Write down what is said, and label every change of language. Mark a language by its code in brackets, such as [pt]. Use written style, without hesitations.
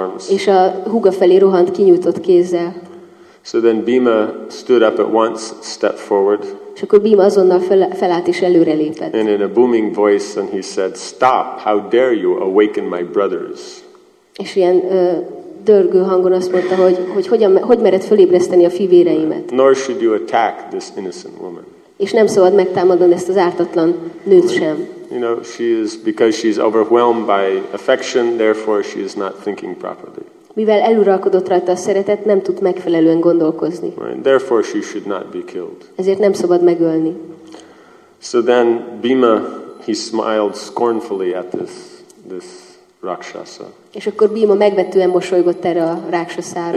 [hu] és a húga felé rohant kinyújtott kézzel. [en] So then Bhima stood up at once, stepped forward. [hu] És akkor Bhima azonnal felállt és előre lépett. [en] And in a booming voice, and he said, "Stop! How dare you awaken my brothers?" [hu] És ilyen dörgő hangon azt mondta, hogy mered fölébreszteni a fivéreimet. [en] Nor should you attack this innocent woman. [hu] És nem szabad megtámadni ezt az ártatlan nőt sem. [en] You know, she is, because she's overwhelmed by affection, therefore she is not thinking properly. [hu] Mivel eluralkodott rajta a szeretet, nem tud megfelelően gondolkozni. [en] Right. Therefore she should not be killed. [hu] Ezért nem szabad megölni. [en] So then Bhima, he smiled scornfully at this Rakshasa. [hu] És akkor Bhima megvetően mosolygott erre a Rakshasára.